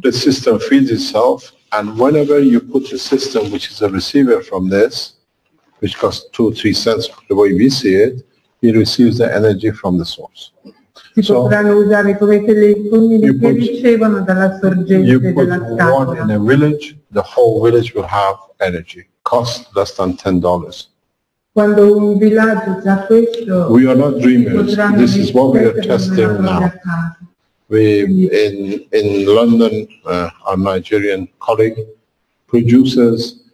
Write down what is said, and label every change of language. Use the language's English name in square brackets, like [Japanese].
[English] The system feeds itself, and whenever you put a system, which is a receiver from this, which costs 2-3 cents the way we see it, it receives the energy from the source. [Italian] Si potranno usare come telefoni che ricevono dalla sorgente della stanza. [English] One in a village, the whole village will have energy. Cost less than $10. [Italian] Quando un villaggio già questo, [English] we are not dreamers. This is what we are testing now. We in London, our Nigerian colleague produces.